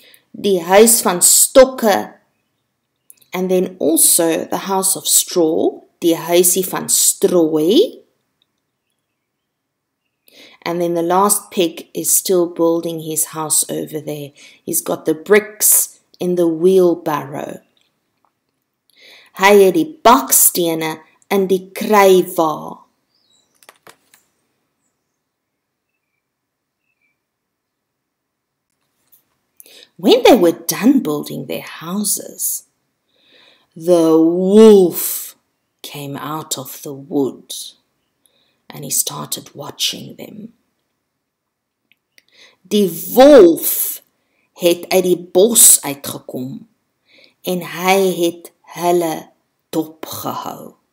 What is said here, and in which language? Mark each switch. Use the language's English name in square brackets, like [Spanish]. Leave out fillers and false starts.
[Afrikaans] Die huis van stokke. [English] And then also the house of straw. [Afrikaans] Die huisie van strooi. [English] And then the last pig is still building his house over there. He's got the bricks in the wheelbarrow. [Afrikaans] Hy het die bakstene in die kruiwa. [English] When they were done building their houses, the wolf came out of the wood and he started watching them. [Afrikaans] Die wolf het uit die bos uitgekom en hy het hulle dopgehou.